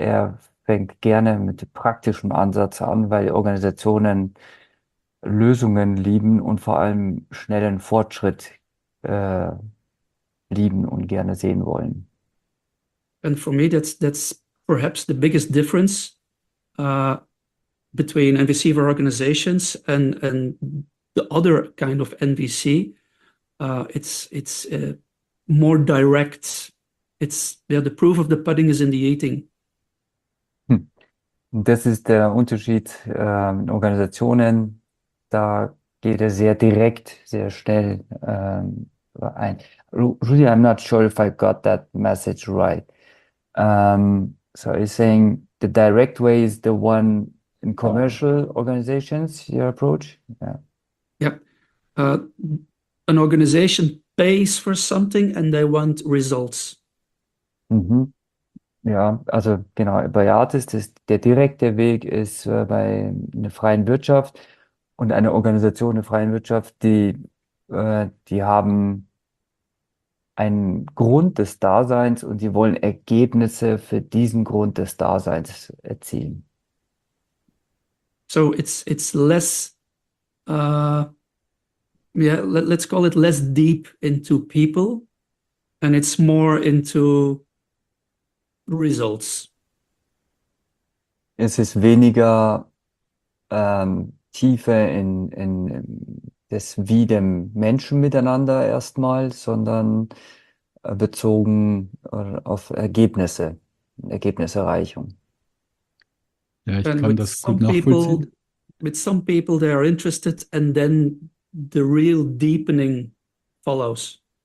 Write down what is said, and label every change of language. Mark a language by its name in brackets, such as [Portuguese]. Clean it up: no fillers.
[German] Er fängt gerne mit praktischem Ansatz an, weil Organisationen Lösungen lieben und vor allem schnellen Fortschritt lieben und gerne sehen wollen. [English] And for me, that's perhaps the biggest difference. between NVC for organizations and the other kind of NVC. It's more direct. It's yeah, the proof of the pudding is in the eating. [German] Das ist der Unterschied in Organisationen. Da geht es sehr direkt, sehr schnell ein. [English] Rudy, I'm not sure if I got that message right. So he's saying the direct way is the one in commercial organizations, your approach? Yeah. Yeah. An organization pays for something and they want results. Mm-hmm. [German] Ja, also genau, bei Artis, das, der direkte Weg ist bei einer freien Wirtschaft und einer Organisation der freien Wirtschaft, die haben einen Grund des Daseins und die wollen Ergebnisse für diesen Grund des Daseins erzielen. [English] So it's less, let's call it less deep into people and it's more into results. [German] Es ist weniger Tiefe in das wie dem Menschen miteinander erstmal, sondern bezogen auf Ergebnisse, Ergebniserreichung. Ja, ich kann das gut nachvollziehen. [English] With some people they are interested and then the real deepening follows.